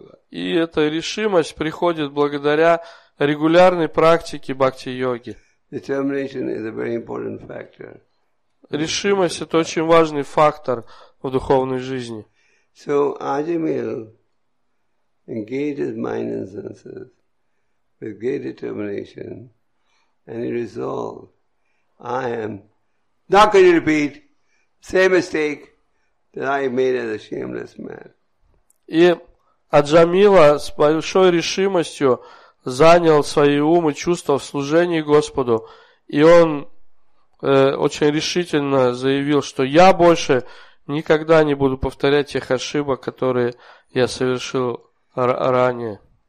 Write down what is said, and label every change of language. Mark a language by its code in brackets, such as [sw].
[ru] И эта решимость приходит благодаря регулярной практике бхакти-йоги. Решимость – это очень важный фактор в духовной жизни. [en] So, Ajimil engages mind and senses with great determination, and he resolves, I am not going to repeat the same mistake that I made as a shameless man. [ru] И Аджамила с большой решимостью занял свои умы, чувства в служении Господу. И он очень решительно заявил, что я больше никогда не буду повторять тех ошибок, которые я совершил ранее.